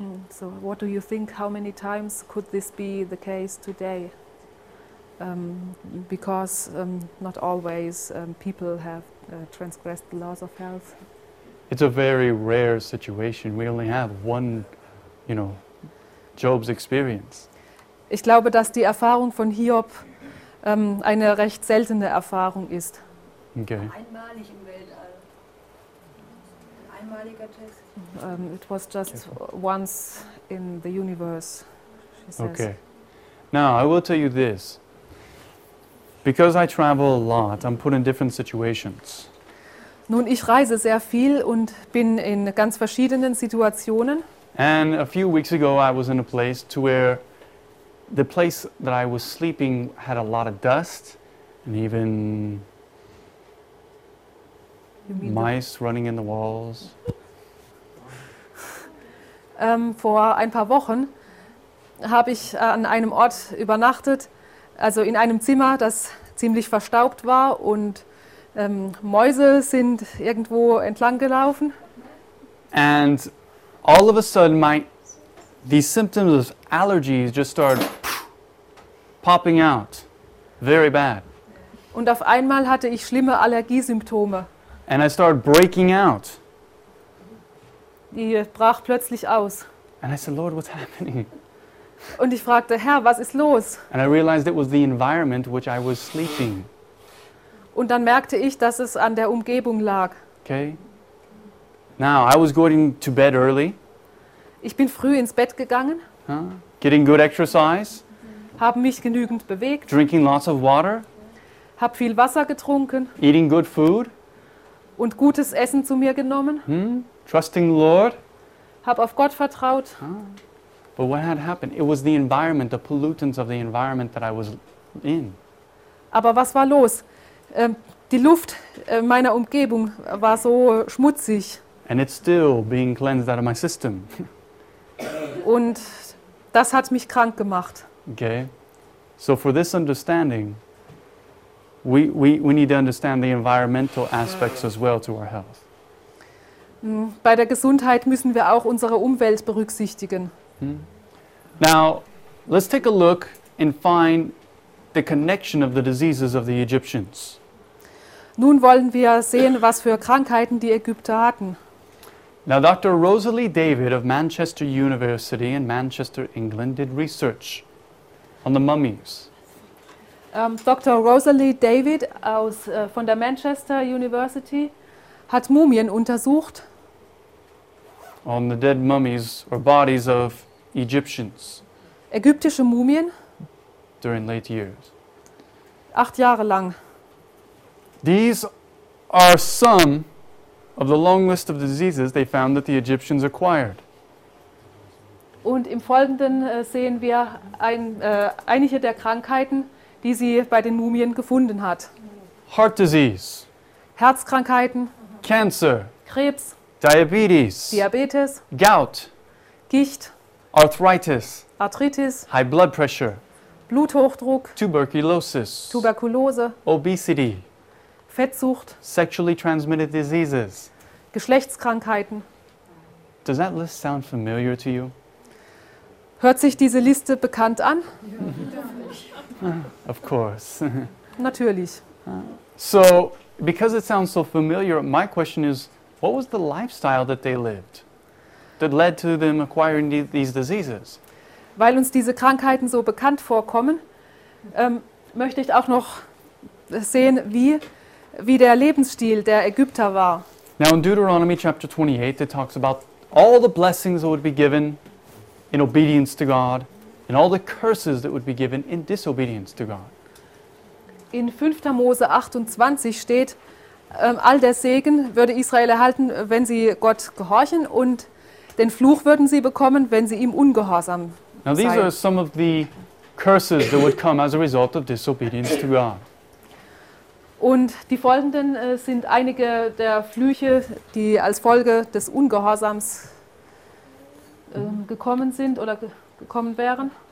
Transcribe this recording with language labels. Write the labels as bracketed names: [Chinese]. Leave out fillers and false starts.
[English] So what do you think, how many times could this be the case today? Because not always people have transgressed the laws of health. It's a very rare situation. We only have one, you know, Job's experience. [German] Ich glaube, dass die Erfahrung von Hiob eine recht seltene Erfahrung ist. [English] Okay. [German] Einmalig im Weltall. Einmaliger Test. [English] It was just once in the universe, she says. Okay. Now, I will tell you this. Because I travel a lot, I'm put in different situations. [German] Nun, ich reise sehr viel und bin in ganz verschiedenen Situationen. [English] And a few weeks ago, I was in a place to where the place that I was sleeping had a lot of dust and even mice running in the walls. [German] Vor ein paar Wochen habe ich an einem Ort übernachtet, also in einem Zimmer, das ziemlich verstaubt war, und Mäuse sind irgendwo entlang gelaufen. [English] And all of a sudden these symptoms of allergies just started popping out very bad. [German] Und auf einmal hatte ich schlimme Allergiesymptome. [English] And I started breaking out. [German] Die brach plötzlich aus. [English] And I said, "Lord, what's happening?" [German] Und ich fragte, Herr, was ist los? [English] And I realized it was the environment which I was sleeping. [German] Und dann merkte ich, dass es an der Umgebung lag. [English] Okay. Now, I was going to bed early. [German] Ich bin früh ins Bett gegangen. [English] Getting good exercise. [German] Haben mich genügend bewegt. [English] Drinking lots of water. [German] Hab viel Wasser getrunken. [English] Eating good food. [German] Und gutes Essen zu mir genommen. [English] Trusting the Lord. [German] Hab auf Gott vertraut. [English] But what had happened? It was the environment, the pollutants of the environment that I was in. [German] Aber was war los? Die Luft meiner Umgebung war so schmutzig. [English] And it's still being cleansed out of my system. [German] Und das hat mich krank gemacht. [English] Okay. So for this understanding, we need to understand the environmental aspects as well to our health. [German] Bei der Gesundheit müssen wir auch unsere Umwelt berücksichtigen. [English] Now, let's take a look and find the connection of the diseases of the Egyptians. [German] Nun wollen wir sehen, was für Krankheiten die Ägypter hatten. [English] Now, Dr. Rosalie David of Manchester University in Manchester, England, did research on the mummies. [German] Dr. Rosalie David aus von der Manchester University hat Mumien untersucht. [English] On the dead mummies or bodies of Egyptians. [German] Ägyptische Mumien. [English] During late years. [German] 8 Jahre lang. [English] These are some of the long list of diseases they found that the Egyptians acquired. [German] Und im Folgenden sehen wir einige der Krankheiten, die sie bei den Mumien gefunden hat. [English] Heart disease. [German] Herzkrankheiten. [English] Cancer. [German] Krebs. [English] Diabetes. [German] Diabetes. [English] Gout. [German] Gicht. [English] Arthritis. [German] Arthritis. [English] High blood pressure. [German] Bluthochdruck. [English] Tuberculosis. [German] Tuberkulose. [English] Obesity. [German] Fettsucht. [English] Sexually transmitted diseases. [German] Geschlechtskrankheiten. [English] Does that list sound familiar to you? [German] Hört sich diese Liste bekannt an? [English] Of course. [German] Natürlich. [English] So, because it sounds so familiar, my question is, what was the lifestyle that they lived that led to them acquiring these diseases? [German] Weil uns diese Krankheiten so bekannt vorkommen, möchte ich auch noch sehen, wie der Lebensstil der Ägypter war. [English] Now in Deuteronomy chapter 28, it talks about all the blessings that would be given in obedience to God and all the curses that would be given in disobedience to God. [German] In 5. Mose 28 steht, all der Segen würde Israel erhalten, wenn sie Gott gehorchen, und den Fluch würden sie bekommen, wenn sie ihm ungehorsam seien. [English] Now these are some of the curses that would come as a result of disobedience to God. [German] Und die folgenden sind einige der Flüche, die als Folge des Ungehorsams gekommen sind oder gekommen wären.